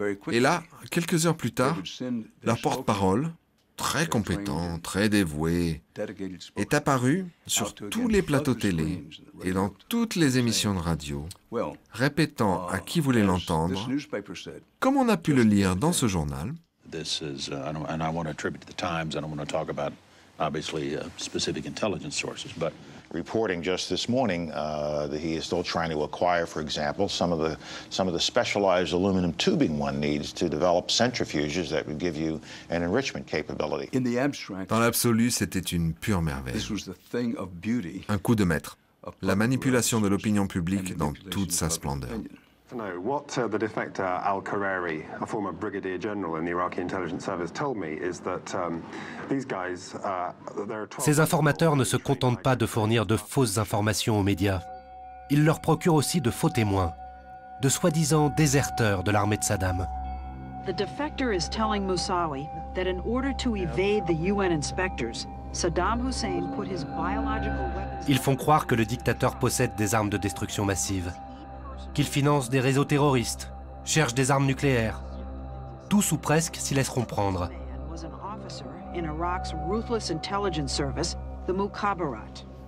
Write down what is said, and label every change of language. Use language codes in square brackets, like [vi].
[fr] Et là, quelques heures plus tard, la porte-parole, très compétent, très dévoué, est apparu sur tous les plateaux télé et dans toutes les émissions de radio, répétant à qui voulait l'entendre, comme on a pu le lire dans ce journal. [en] This is, and I want to attribute to the Times. I don't want to talk about obviously specific intelligence sources, but reporting just this morning that he is still trying to acquire, for example, some of the specialized aluminum tubing one needs to develop centrifuges that would give you an enrichment capability. In the abstract, [fr] dans l'absolu, c'était une pure merveille. [en] This was the thing of beauty. [fr] Un coup de maître. La manipulation de l'opinion publique dans toute sa splendeur. [en] No, what the defector Al-Khareri, a former brigadier general in the Iraqi intelligence service, told me is that these guys, there are 12. [fr] Ces informateurs ne se contentent pas de fournir de fausses informations aux médias. Ils leur procurent aussi de faux témoins, de soi-disant déserteurs de l'armée de Saddam. [en] The defector is telling Mousawi that in order to evade the UN inspectors, Saddam Hussein put his biological weapons. [fr] Ils font croire que le dictateur possède des armes de destruction massive, qu'ils financent des réseaux terroristes, cherchent des armes nucléaires. Tous ou presque s'y laisseront prendre. [en] In Iraq's ruthless intelligence service, the Mukhabarat.